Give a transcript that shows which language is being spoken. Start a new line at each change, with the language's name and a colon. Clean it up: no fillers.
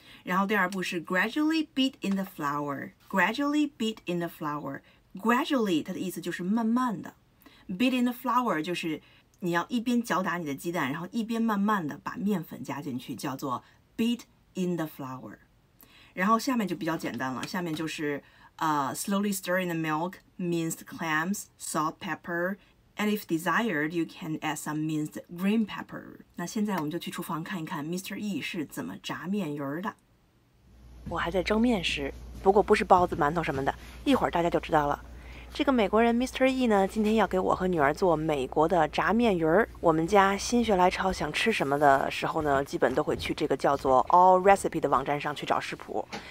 Chinese: 然后第二步是
English: gradually beat in the flour,
Chinese: gradually beat in the flour, gradually 它的意思就是慢慢的，beat in the flour 就是你要一边搅打你的鸡蛋，然后一边慢慢的把面粉加进去，叫做 beat in the flour。然后下面就比较简单了，下面就是。
English: Slowly stir in the milk, minced clams, salt, pepper, and if desired, you can add some minced green pepper.
Chinese: 那现在我们就去厨房看一看 Mr. E 是怎么炸面鱼的。我还在蒸面食，不过不是包子、馒头什么的，一会儿大家就知道了。这个美国人 Mr. E 呢，今天要给我和女儿做美国的炸面鱼儿。我们家心血来潮想吃什么的时候呢，基本都会去这个叫做 All Recipe 的网站上去找食谱。